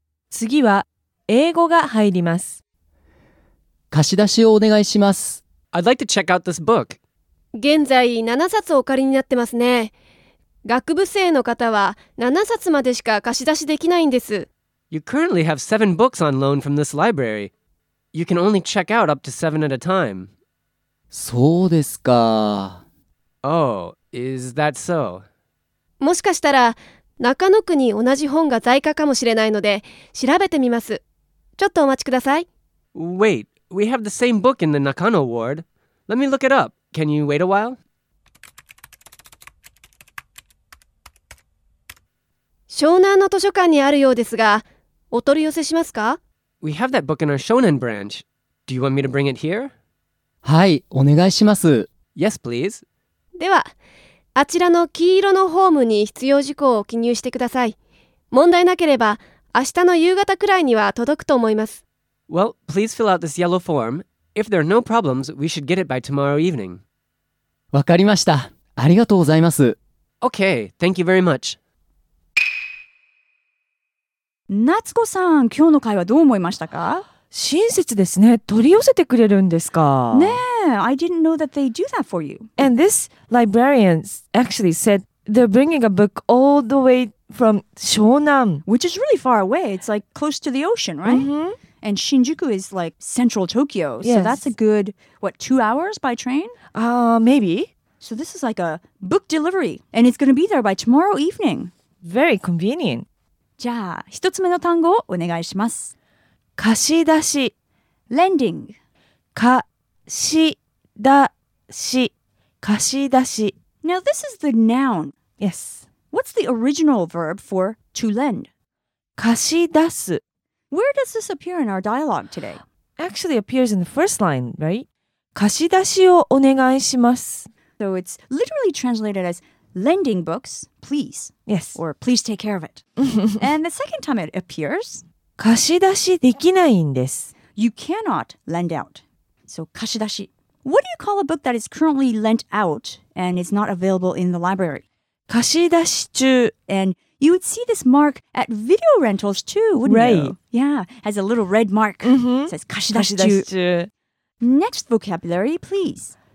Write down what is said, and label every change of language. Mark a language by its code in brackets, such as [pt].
[ja] 次は、英語が入ります。貸し出しをお願いします。 [en] I'd like to check out this book. [ja] 現在、7冊お借りになってますね。学部生の方は7冊までしか貸し出しできないんです。 [en] You currently have 7 books on loan from this library. You can only check out up to 7 at a time. [ja] そうですか。 [en] Oh, is that so? [ja] もしかしたら中野区に同じ本が在庫かもしれないので調べてみます。ちょっとお待ちください。 [en] Wait, we have the same book in the Nakano ward. Let me look it up. Can you wait a while? [ja] 湘南の図書館にあるようですが、お取り寄せしますか？ [en] We have that book in our Shonen branch. Do you want me to bring it here? [ja] はい、お願いします。 [en] Yes, please. [ja] では、あちらの黄色のホームに必要事項を記入してください。問題なければ、明日の夕方くらいには届くと思います。 [en] Well, please fill out this yellow form. If there are no problems, we should get it by tomorrow evening. [ja] わかりました。ありがとうございます。 [en] Okay, thank you very much. [ja] 夏子さん、今日の会話どう思いましたか？親切ですね。取り寄せてくれるんですか？ [en] ねえ、I didn't know that they do that for you. And this librarian actually said they're bringing a book all the way from 湘南。 Which is really far away. It's like close to the ocean, right? Mm-hmm. And Shinjuku is like central Tokyo. So yes. that's a good, what, 2 hours by train? Maybe. So this is like a book delivery. And it's going to be there by tomorrow evening. Very convenient. [ja] じゃあ、一つ目の単語をお願いします。貸し出し。 [en] Lending. [ja] 貸し出し。貸し出し。 [en] Now, this is the noun. Yes. What's the original verb for to lend? [ja] 貸し出す。 [en] Where does this appear in our dialogue today? Actually, it appears in the first line, right? [ja] 貸し出しをお願いします。 [en] So, it's literally translated as... Lending books, please. Yes. Or please take care of it. And the second time it appears, [ja] 貸し出しできないんです。 [en] You cannot lend out. So, 貸し出し。 What do you call a book that is currently lent out and is not available in the library? [ja] 貸し出し中。 [en] And you would see this mark at video rentals too, wouldn't right. you? Right. Yeah, has a little red mark. Mm-hmm. It says 貸し出し中。 [ja] 貸し出し [en] 中。Next vocabulary, please.